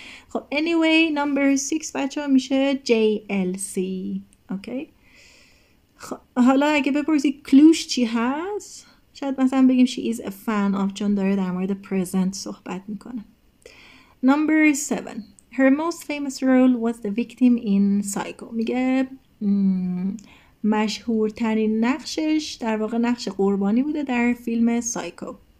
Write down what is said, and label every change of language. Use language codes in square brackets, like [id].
[fa] خب [en] anyway number 6 [fa] بچه ها میشه JLC. اوکی خب حالا اگه بپرسی کلوش چی هست، شاید مثلا بگیم [en] she is a fan of، [fa] چون داره در مورد present صحبت میکنه. [en] Number 7. Her most famous role was the victim in Psycho. [fa] میگه مشهورترین نقشش در واقع نقش قربانی بوده در فیلم سایکو.